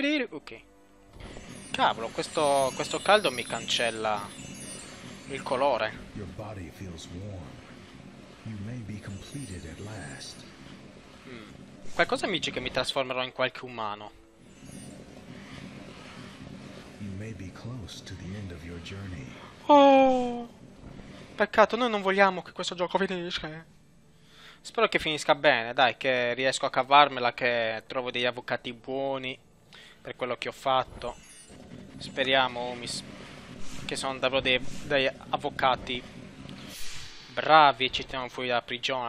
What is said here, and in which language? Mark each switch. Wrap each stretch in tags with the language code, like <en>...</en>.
<it>Ok. Cavolo, questo caldo mi cancella il colore.</it> <en>Your body feels warm. You may be completed at last.</en> <it>Qualcosa mi dice che mi trasformerò in qualche umano.</it> <en>You may be close to the end of your journey.</en> <it>Oh, peccato, noi non vogliamo che questo gioco finisca. Spero che finisca bene, dai, che riesco a cavarmela, che trovo degli avvocati buoni per quello che ho fatto. Speriamo, Omis. Che sono davvero dei avvocati bravi e ci teniamo fuori dalla prigione.</it>